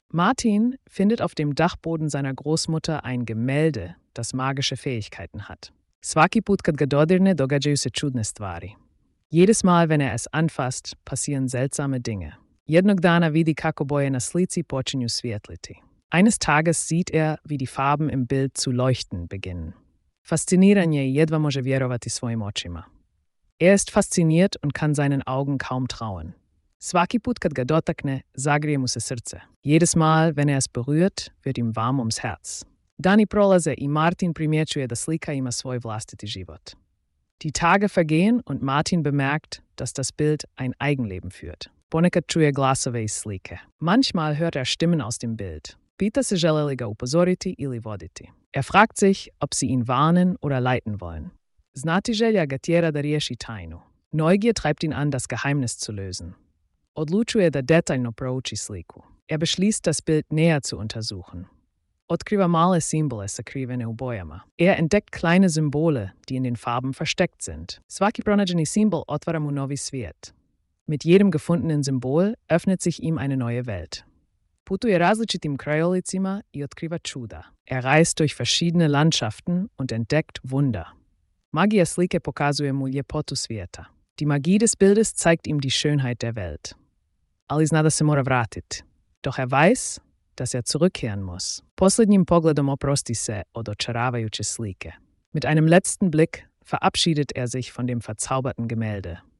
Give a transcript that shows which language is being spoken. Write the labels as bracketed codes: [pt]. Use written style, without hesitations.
[de] Martin findet auf dem Dachboden seiner Großmutter ein Gemälde, das magische Fähigkeiten hat. [hr] Svaki put kad ga dodirne, događaju se čudne stvari. [de] Jedes Mal, wenn er es anfasst, passieren seltsame Dinge. [hr] Jednog dana vidi kako boje na slici počinju svijetliti. [de] Eines Tages sieht er, wie die Farben im Bild zu leuchten beginnen. [hr] Fasziniran je i jedva može vjerovati svojim očima. [de] Er ist fasziniert und kann seinen Augen kaum trauen. [hr] Svaki put kad ga dotakne, zagrije mu se srce. [de] Jedes Mal, wenn er es berührt, wird ihm warm ums Herz. [hr] Dani prolaze i Martin primjećuje da slika ima svoj vlastiti život. [de] Die Tage vergehen und Martin bemerkt, dass das Bild ein Eigenleben führt. [hr] Ponekad čuje glasove iz slike. [de] Manchmal hört er Stimmen aus dem Bild. [hr] Pita se žele li ga upozoriti ili voditi. [de] Er fragt sich, ob sie ihn warnen oder leiten wollen. [hr] Znatiželja ga tjera da riješi tajnu. [de] Neugier treibt ihn an, das Geheimnis zu lösen. [hr] Odlučuje da detaljno prouči sliku. [de] Er beschließt, das Bild näher zu untersuchen. [hr] Otkriva male simbole sakrivene u bojama. [de] Er entdeckt kleine Symbole, die in den Farben versteckt sind. [hr] Svaki pronađeni simbol otvara mu novi svijet. [de] Mit jedem gefundenen Symbol öffnet sich ihm eine neue Welt. [hr] Putuje različitim krajolicima i otkriva čuda. [de] Er reist durch verschiedene Landschaften und entdeckt Wunder. [hr] Magija slike pokazuje mu ljepotu svijeta. [de] Die Magie des Bildes zeigt ihm die Schönheit der Welt. [hr] Ali zna da se mora vratit. [de] Doch er weiß, dass er zurückkehren muss. [hr] Posljednjim pogledom oprosti se od očaravajuće slike. [de] Mit einem letzten Blick verabschiedet er sich von dem verzauberten Gemälde.